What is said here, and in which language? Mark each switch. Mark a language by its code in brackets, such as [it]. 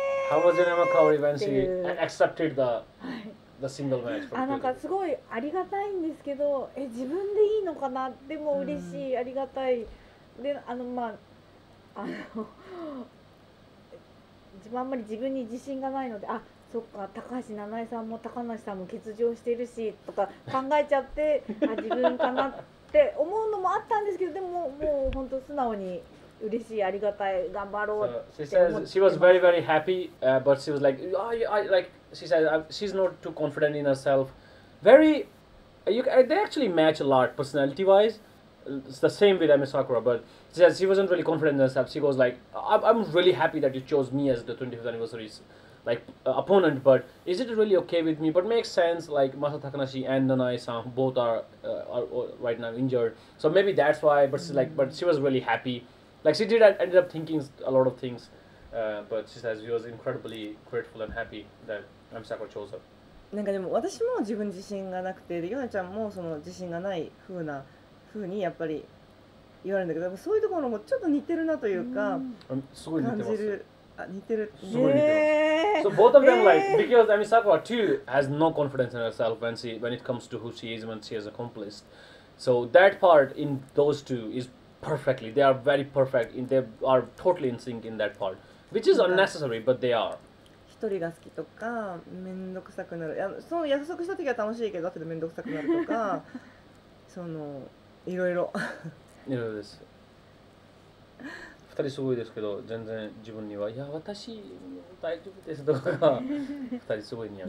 [en] How was Yonema Kaori when she accepted the single match? [ja] あ、なんかすごいありがたいんですけど、え、自分でいいのかな、でも嬉しい、ありがたい。で、あの、まあ、あの自分あんまり自分に自信がないので、あ、そっか、高橋七重さんも高梨さんも欠場してるしとか考えちゃってあ、自分かなって思うのもあったんですけど、でももう本当素直に嬉しい、ありがたい、頑張ろうって思って。 [en] So, she was very very happy、but she was like、oh, I, like she said she's not too confident in herself, very you, they actually match a lot personality wise, it's the same with Emi Sakura, but she said she wasn't really confident in herself. She goes like, I'm really happy that you chose me as the 25th anniversary like、opponent, but is it really okay with me? But makes sense, like Masa Takanashi and Nanae-san both are right now injured, so maybe that's why, but she's like, but she was really happy, like she did ended up thinking a lot of things、but she says she was incredibly grateful and happy that Emi Sakura chose her. [ja] なんかでも私も自分自信がなくて、ヨネちゃんもその自信がない風な風にやっぱり言われるんだけど、そういうところもちょっと似てるなというか、すごい似てます。似てる。 [en] So both of them、like, because Emi Sakura too has no confidence in herself when she, when it comes to who she is, when she has accomplished. So that part in those two is perfectly, they are very perfect, in, they are totally in sync in that part, which is unnecessary, but they are. [ja] 一人が好きとか、めんどくさくなる。そう、約束した時は楽しいけど、後でめんどくさくなるとか、その、いろいろ。いろいろです。二人すごいですけど、全然自分には、いや、私、大丈夫ですとか、二人すごい似合う。